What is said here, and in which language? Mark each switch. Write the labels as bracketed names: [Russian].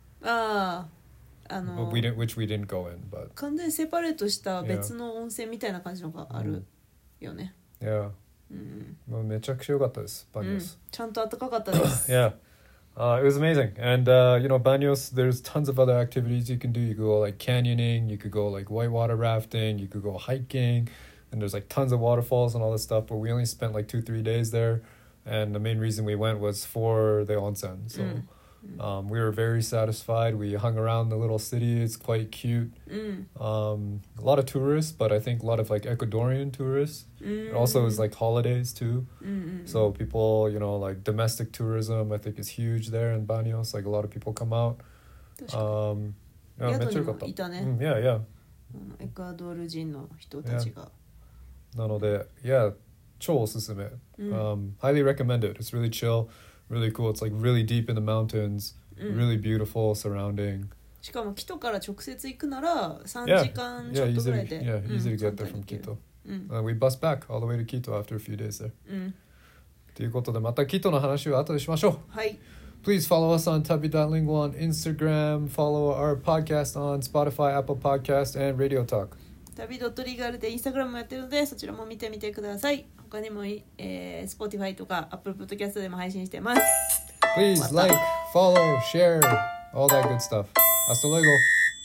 [English] Ah. But we didn't, which we didn't go in, but... [Japanese] 完全にセパレートした別の温泉みたいな感じのがあるよね。 [English] Yeah. [Japanese] うん。めちゃくちゃ良かったです、バニオス。ちゃんと暖かかったです。 [English] Yeah. It was amazing. And, you know, Banyos, there's tons of other activities you can do. You could go, like, canyoning, you could go, like, whitewater rafting, you could go hiking, and there's, like, tons of waterfalls and all this stuff, but we only spent, like, 2-3 days there, and the main reason we went was for the onsen, so...、 [Japanese] うん [English] We were very satisfied. We hung around the little city. It's quite cute.、A lot of tourists, but I think a lot of like Ecuadorian tourists.、 Mm. It also is like holidays too.、 Mm-hmm. So people, you know, like domestic tourism, I think is huge there in Banyos. Like a lot of people come out. Yeah, yeah. [Japanese] Ecuador 人の人たちが。 [English] なので yeah, [Japanese] 超おすすめ、 [English] highly recommended. It's really chill. Really cool. It's like really deep in the mountains. Really beautiful surrounding. [Japanese] しかも Kito から直接行くなら3時間ちょっとぐらいで [English] yeah, easy to get there from Kito. We bus back all the way to Kito after a few days there. [Japanese] ということでまた Kito の話を後でしましょう。はい。 [English] Please follow us on tabi.lingua on Instagram. Follow our podcast on Spotify, Apple Podcast, and Radio Talk. [Japanese] tabi.legal で Instagram もやってるのでそちらも見てみてください。他にも、Spotify とか Apple Podcast でも配信してます。 [English] Please like, follow, share, all that good stuff. [Spanish] Hasta luego.